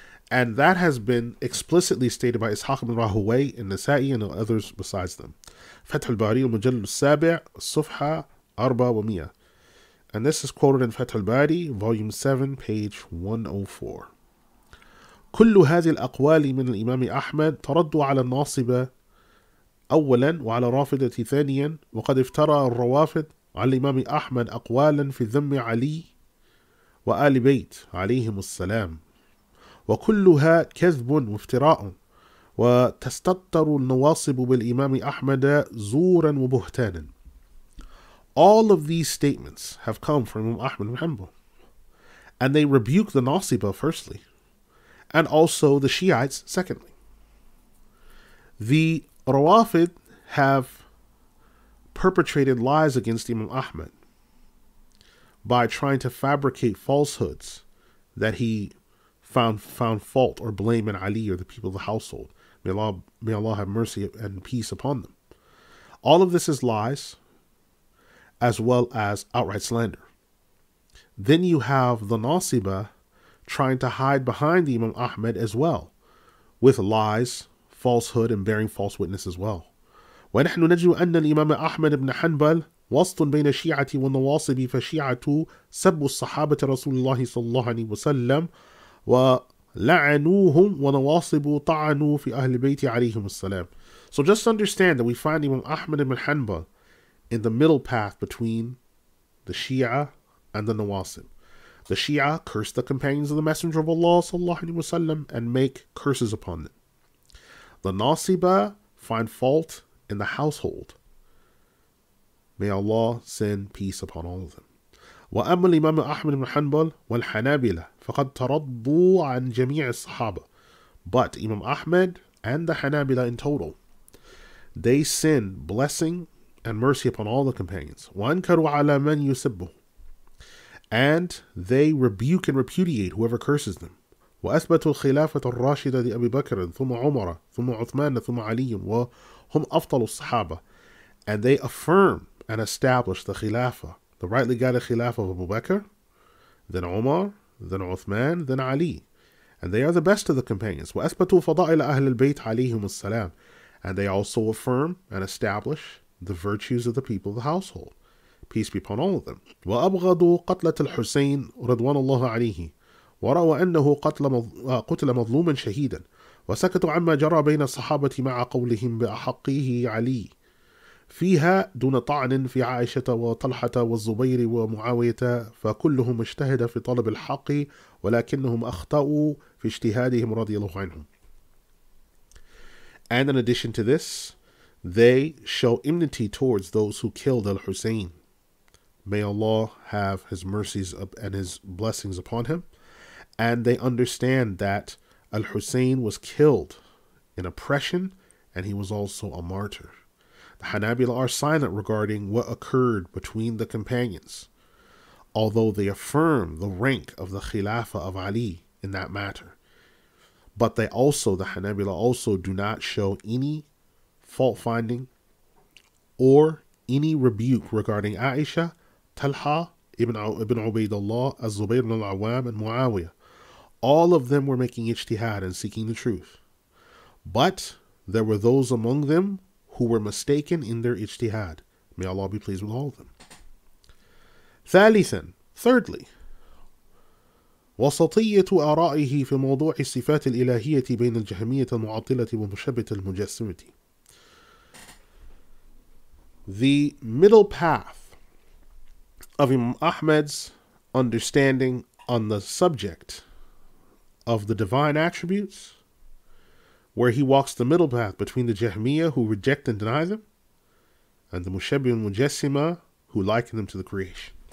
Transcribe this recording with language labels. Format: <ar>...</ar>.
<en>And that has been explicitly stated by Ishaq ibn Rahuway and Nasa'i and others besides them.</en> <ar>Fath al-Bari al-Mujallal al-Sabi' Sufha 400.</ar> <en>And this is quoted in Fath al-Bari, volume 7, page 104.</en> <ar>كل هذه الأقوال من الإمام أحمد ترد على الناصبة أولا وعلى الرافضة ثانيا وقد افترى الروافض على الإمام أحمد أقوالا في ذم علي وآل بيت عليهم السلام وكلها كذب وافتراء وتستطر النواصب بالإمام أحمد زورا وبهتانا.</ar> <en>All of these statements have come from Imam Ahmad ibn Hanbal, and they rebuke the Nasiba firstly, and also the Shiites secondly. The Rawafid have perpetrated lies against Imam Ahmad by trying to fabricate falsehoods that he found fault or blame in Ali or the people of the household. May Allah have mercy and peace upon them. All of this is lies as well as outright slander. Then you have the Nasiba trying to hide behind Imam Ahmad as well with lies, falsehood, and bearing false witness as well.</en> <ar>ونحن نجد أن الإمام أحمد بن حنبل وسط بين الشيعة والنواصب فشيعة سب الصحابة رسول الله صلى الله عليه وسلم ولعنوهم ونواصب طعنوا في أهل بيت عليهم السلام.</ar> <en>So just understand that we find Imam Ahmad ibn Hanbal in the middle path between the Shia and the Nawasib. The Shia curse the companions of the Messenger of Allah</en> <ar>صلى الله عليه وسلم</ar> <en>and make curses upon them. The Nasiba find fault in the household. May Allah send peace upon all of them.</en> <ar>وأما الإمام أحمد بن حنبل والحنابلة فقد تردوا عن جميع الصحابة.</ar> <en>But Imam Ahmad and the Hanabila in total, they send blessing and mercy upon all the companions.</en> <ar>وأنكروا على من يسبه.</ar> <en>And they rebuke and repudiate whoever curses them.</en> <ar>وأثبتوا الخلافة الراشدة لأبي بكر ثم عمر ثم عثمان ثم علي و هم أفضل الصحابة.</ar> <en>And they affirm and establish the Khilafah, the rightly guided Khilafah of Abu Bakr, then Umar, then Uthman, then Ali. And they are the best of the companions.</en> <ar>وَأَثْبَتُوا فَضَائِلَ أَهْلِ الْبَيْتِ عَلَيْهِمُ السَّلَامِ.</ar> <en>And they also affirm and establish the virtues of the people of the household. Peace be upon all of them.</en> <ar>وَأَبْغَضُوا قَتْلَةَ الْحُسَيْنِ رَضْوَانَ اللَّهُ عَلَيْهِ وَرَأَوْا أَنَّهُ قُتِلَ مَظْلُومًا شَهِيدًا وسكتوا عما جرى بين الصحابة مع قولهم بأحقه علي فيها دون طعن في عائشة وطلحة والزبير ومعاوية فكلهم اجتهد في طلب الحق ولكنهم أخطأوا في اجتهادهم رضي الله عنهم.</ar> <en>And in addition to this, they show enmity towards those who killed Al-Hussein, May Allah have his mercies and his blessings upon him. And they understand that Al-Hussein was killed in oppression, and he was also a martyr. The Hanabila are silent regarding what occurred between the companions, although they affirm the rank of the Khilafah of Ali in that matter. But they also, the Hanabila also, do not show any fault-finding or any rebuke regarding Aisha, Talha, Ibn Ubaidullah, Az-Zubayr ibn al-Awwam, and Muawiyah. All of them were making ijtihad and seeking the truth. But there were those among them who were mistaken in their ijtihad. May Allah be pleased with all of them.</en> <ar>Thalithan, thirdly, وَسَطِيَّةُ أَرَائِهِ فِي مَوْضُوعِ الصِّفَاتِ الْإِلَهِيَةِ بَيْنَ الْجَهْمِيَةِ الْمُعَطِلَةِ وَمُشَبِّتِ الْمُجَسِّمِةِ.</ar> <en>The middle path of Imam Ahmad's understanding on the subject of the divine attributes, where he walks the middle path between the Jahmiyyah, who reject and deny them, and the Mushabbih and Mujassimah, who liken them to the creation.</en>